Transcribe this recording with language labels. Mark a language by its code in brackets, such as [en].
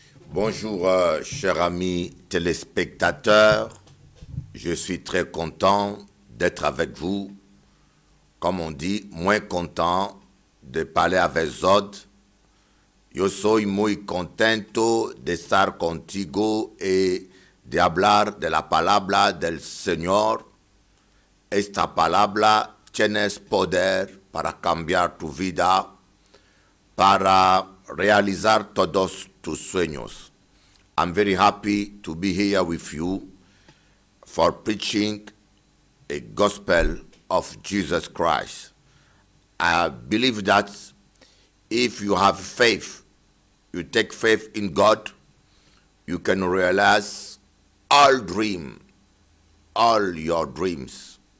[fr] Bonjour, chers amis téléspectateurs, je suis très content d'être avec vous, comme on dit, moins content de parler avec Zod. [es] Yo soy muy contento de estar contigo et de hablar de la palabra del Señor. Esta palabra tiene poder para cambiar tu vida, para realizar todos tus sueños. [en] I'm very happy to be here with you for preaching a gospel of Jesus Christ. I believe that if you have faith, you take faith in God, you can realize all your dreams.